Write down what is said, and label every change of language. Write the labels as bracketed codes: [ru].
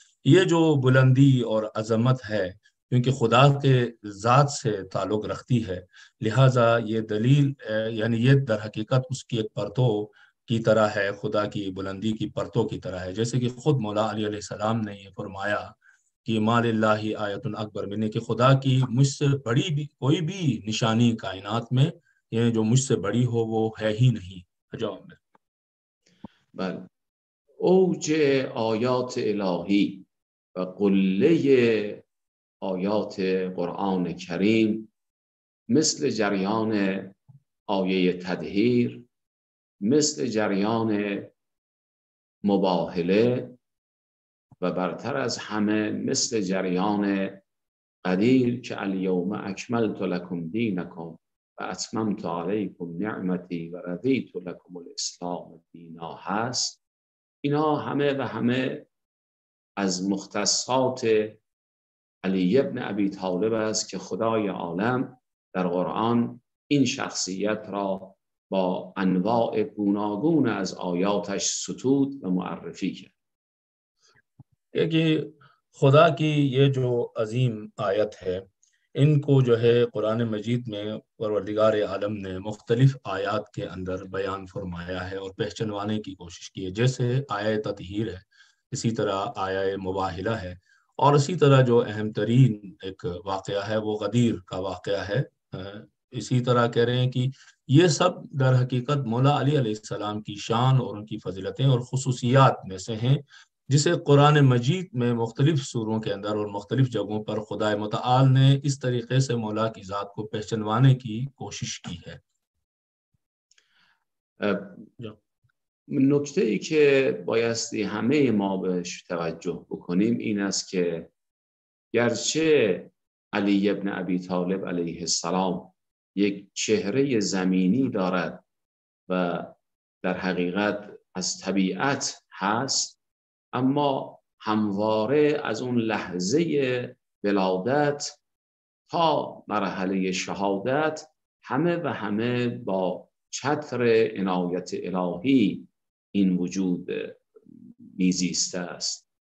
[ur] یہ جو بلندی اور عظمت ہے کیونکہ خدا کے ذات سے تعلق رکھتی ہے، لہٰذا یہ دلیل یعنی یہ در حقیقت اس کی ایک پرتو کی طرح ہے، خدا کی بلندی کی پرتو کی طرح ہے. جیسے کہ خود مولا علی علیہ السلام نے یہ فرمایا کہ [ar] مال اللہ آیت اکبر منی، [ur] کہ خدا کی مجھ سے بڑی بھی کوئی بھی نشانی کائنات میں، یعنی جو مجھ سے بڑی ہو وہ ہے ہی نہیں. [fa] بله، اوج آیات الهی و قله آیات قرآن کریم مثل جریان آیه تدهیر، مثل جریان مباهله و برتر از همه مثل جریان قدیر که [ar] الیوم اکملت لکم دینکم و اتممت علیکم نعمتی و رضیت لکم الاسلام دینا [fa] هست، اینا همه و همه از مختصات علی ابن ابی طالب است که خدای عالم در قرآن این شخصیت را با انواع گوناگون از آیاتش ستود و معرفی کرد. [ur] کہ خدا کی یہ جو عظیم آیت ہے ان کو جو ہے قرآن مجید میں پروردگار عالم نے مختلف آیات کے اندر بیان فرمایا ہے اور پہچنوانے کی کوشش کی ہے، جیسے آیہ تطہیر ہے، اسی طرح آیہ مباہلہ ہے، اور اسی طرح جو اہم ترین ایک واقعہ ہے وہ غدیر کا واقعہ ہے. اسی طرح کہہ رہے ہیں کہ یہ سب در حقیقت مولا علی علیہ السلام کی شان اور ان کی فضیلتیں اور خصوصیات میں سے ہیں جسے قرآن مجید میں مختلف سوروں کے اندر اور مختلف جگہوں پر خدا متعال نے اس طریقے سے مولا کی ذات کو پہچنوانے کی کوشش کی ہے. [fa] نکته ای که بایستی همه ما بهش توجه بکنیم این است که گرچه علی ابن ابی طالب علیه السلام یک چهره زمینی دارد و در حقیقت از طبیعت هست، اما همواره از اون لحظه ولادت تا مرحله شهادت همه و همه با چتر عنایت الهی این وجود میزیسته است.